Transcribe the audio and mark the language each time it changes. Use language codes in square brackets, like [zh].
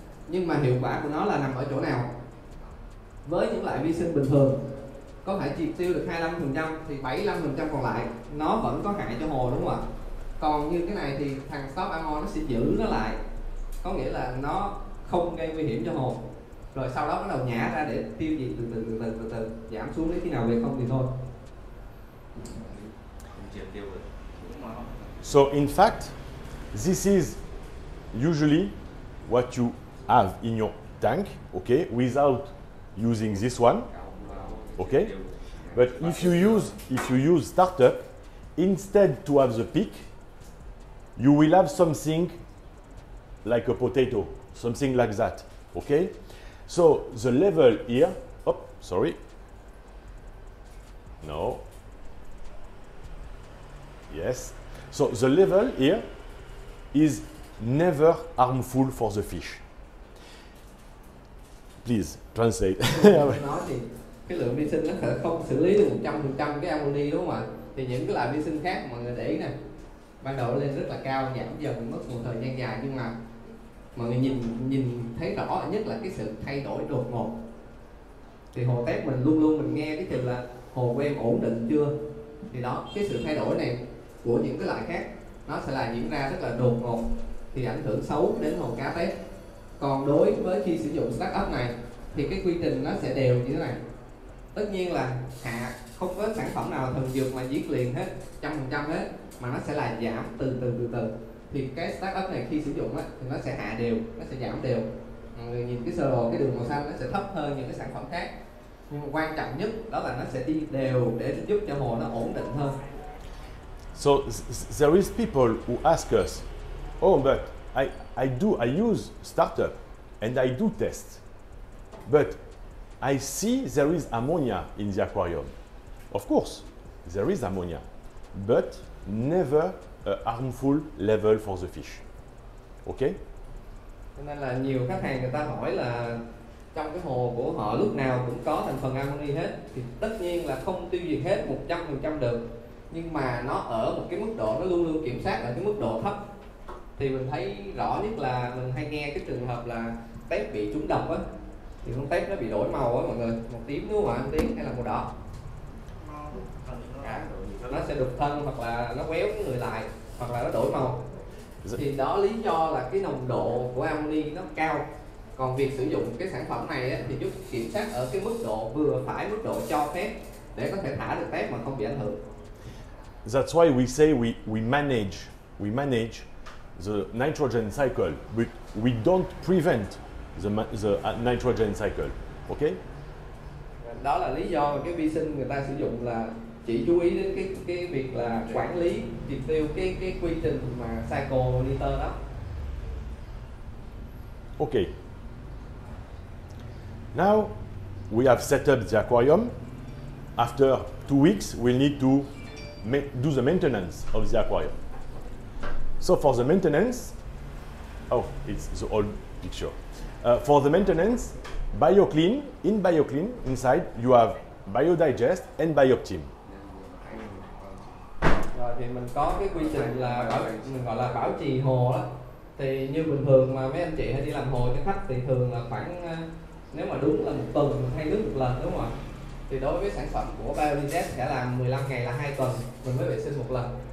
[vi] Nhưng mà hiệu quả của nó là nằm ở chỗ nào? Với những loại vi sinh bình thường có thể triệt tiêu được 25% thì 75% còn lại nó vẫn có hại cho hồ, đúng không ạ? Còn như cái này thì thằng stop ammo nó sẽ giữ nó lại, có nghĩa là nó không gây nguy hiểm cho hồ, rồi sau đó bắt đầu nhả ra để tiêu diệt từ từ giảm xuống đến khi nào về không thì thôi. [en] So in fact, this is usually what you have in your tank, okay, without using this one. Okay, but if you use startup, instead to have the peak, you will have something like a potato, something like that. Okay, so the level here. Oh, sorry. No. Yes. So the level here is never harmful for the fish. Please translate. [vi] cái lượng vi sinh nó không xử lý được 100% cái amoni đúng không ạ? Thì những cái loại vi sinh khác mọi người để ý nè, ban đầu lên rất là cao, giảm dần mất một thời gian dài, nhưng mà mọi người nhìn thấy rõ nhất là cái sự thay đổi đột ngột. Thì hồ test mình luôn luôn mình nghe cái từ là hồ quen ổn định chưa, thì đó, cái sự thay đổi này của những cái loại khác nó sẽ là diễn ra rất là đột ngột, thì ảnh hưởng xấu đến hồ cá test. Còn đối với khi sử dụng startup này thì cái quy trình nó sẽ đều như thế này. Tất nhiên là hạ không có sản phẩm nào thần dược mà giết liền hết 100% hết, mà nó sẽ là giảm từ từ. Thì cái startup này khi sử dụng á thì nó sẽ hạ đều, nó sẽ giảm đều. Mọi người nhìn cái sơ đồ, cái đường màu xanh nó sẽ thấp hơn những cái sản phẩm khác, nhưng quan trọng nhất đó là nó sẽ đi đều để giúp cho hồ nó ổn định hơn. [en] So there is people who ask us, oh but I use startup and I do test, but I see there is ammonia in the aquarium. Of course, there is ammonia, but never a harmful level for the fish. Okay? [vi] Cho nên là nhiều khách hàng người ta hỏi là trong cái hồ của họ lúc nào cũng có thành phần ammoni hết, thì tất nhiên là không tiêu diệt hết 100% được, nhưng mà nó ở một cái mức độ, nó luôn luôn kiểm soát ở cái mức độ thấp. Thì mình thấy rõ nhất là mình hay nghe cái trường hợp là tép bị trúng độc á, thì con tép nó bị đổi màu á mọi người, màu tím đúng không ạ, tím hay là màu đỏ, nó sẽ đục thân hoặc là nó quéo cái người lại hoặc là nó đổi màu. Thì đó lý do là cái nồng độ của amoni nó cao, còn việc sử dụng cái sản phẩm này á, thì giúp kiểm soát ở cái mức độ vừa phải, mức độ cho phép để có thể thả được tép mà không bị ảnh hưởng. [en] That's why we say we manage the nitrogen cycle, but we don't prevent the nitrogen cycle. Okay? [vi] Đó là lý do mà cái vi sinh người ta sử dụng là chỉ chú ý đến cái việc là quản lý triệt tiêu cái quy trình mà cycle nitơ đó. [en] Okay. Now we have set up the aquarium. After 2 weeks, we'll need to do the maintenance of the aquarium. So for the maintenance, oh, it's the old picture. For the maintenance, BioClean, in BioClean, inside, you have BioDigest and BioOptim. [vi] Rồi, thì mình có cái quy trình là mình gọi là bảo trì hồ đó. Thì như bình thường mà mấy anh chị hay đi làm hồ cho khách thì thường là khoảng, nếu mà đúng là một tuần hay nước một lần, đúng không ạ? Thì đối với sản phẩm của BioDigest sẽ làm 15 ngày là 2 tuần, mình mới vệ sinh một lần.